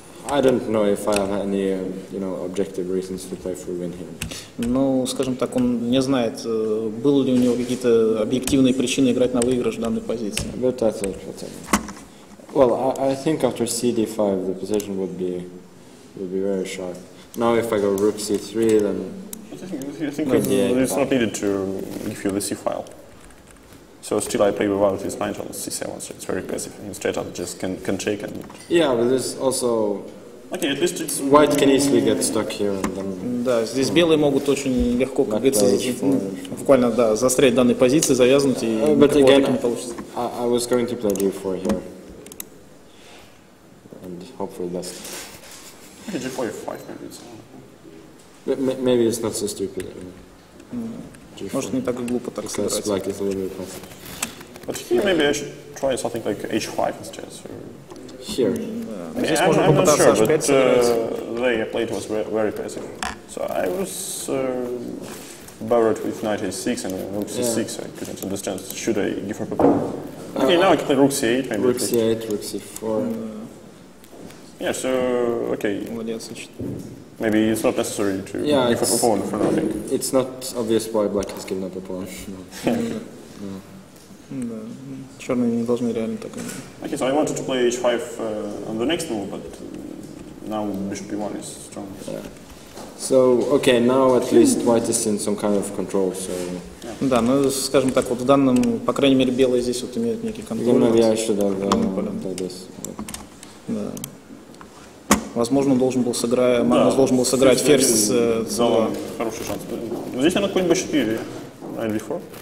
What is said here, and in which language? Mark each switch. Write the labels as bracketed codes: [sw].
[en] I don't know if I have any, you know, objective reasons to play for win here. [ru] Ну, скажем так, он не знает, был ли у него какие-то объективные причины играть на выигрыш данной позиции. [en] But I thought, well, I think after cd5 the position would be very sharp. Now if I go rook c3, then it's not needed to give you the c file. So still I play without this knight on c7, so it's very passive, and straight up just can take and... Yeah, but this also... Okay, at least it's... White can easily get stuck here and then... [ru] Да, здесь белые могут очень легко, как говорится, буквально, да, застрять данной позиции, завязнуть, и никакого так не получится. [en] I was going to play d4 here. And hopefully that's... Maybe g4 f5 maybe. Maybe it's not so stupid. [ru] Может, не так глупо так сыграть. [en] But here maybe I should try something like h5 instead. So here. Yeah. I'm not sure, but the way I played was very passive. So I was buried with knight a6 and rook c6. Yeah. So I couldn't understand. Should I give up a pawn? Okay, now I can play rook c8. Maybe rook c8, rook c4. Yeah, so, okay. Maybe it's not necessary to give up a pawn for nothing. It's not obvious why black has given up a pawn. No. Okay, so I wanted to play h5 on the next move, but now bishop b1 is strong. Yeah. So, okay, now at least white is in some kind of control, so... Yeah. [ru] Да, ну, скажем так, вот в данном, по крайней мере, белые здесь вот имеют некий контроль. [en] Maybe I should have played this. [ru] Да. Возможно, должен был сыграть, Магнус должен был сыграть ферзь с... Да, хороший шанс. Но здесь она конь b4, [en] right before.